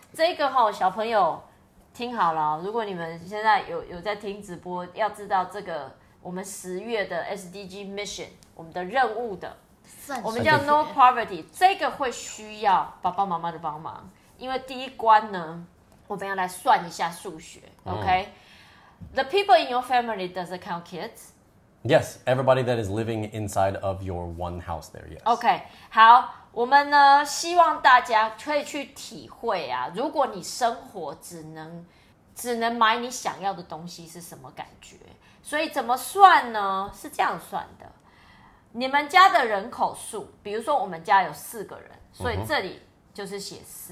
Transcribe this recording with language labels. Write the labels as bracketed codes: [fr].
[zh] 这个齁，小朋友听好了，如果你们现在 有在听直播，要知道这个我们十月的 SDG mission， 我们的任务的，我们叫 No poverty， 这个会需要爸爸妈妈的帮忙。因为第一关呢，我们要来算一下数学。 [en] OK、The people in your family, does it count kids? Yes, everybody that is living inside of your one house there, yes. [zh] Okay, 好，我们呢，希望大家可以去体会啊，如果你生活只能买你想要的东西是什么感觉。所以怎么算呢？是这样算的。你们家的人口数，比如说我们家有四个人，所以这里就是写四。